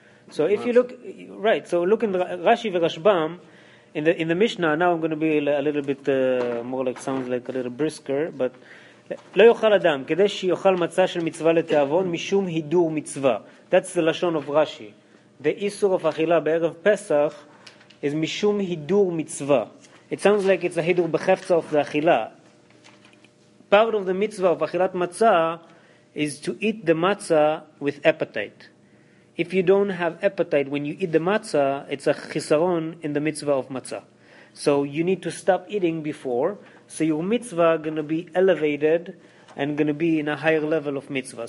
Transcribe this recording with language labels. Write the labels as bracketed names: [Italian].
[English] So if you look, right, so look in Rashi v'Rashbam, In the Mishnah, now I'm going to be a little bit more like, sounds like a little brisker, but [Hebrew] לא יאכל אדם כדי שיאכל מצה של מצווה לתאבון משום הידור מצווה. [English] That's the lashon of Rashi. The איסור of אכילה בערב פסח is [Hebrew] משום הידור מצווה. [English] It sounds like it's a הידור בחפצה of the אכילה. Part of the mitzvah of אכילת מצה is to eat the matzah with appetite. If you don't have appetite when you eat the matzah, it's a chisaron in the mitzvah of matzah. So you need to stop eating before, so your mitzvah is going to be elevated and going to be in a higher level of mitzvah.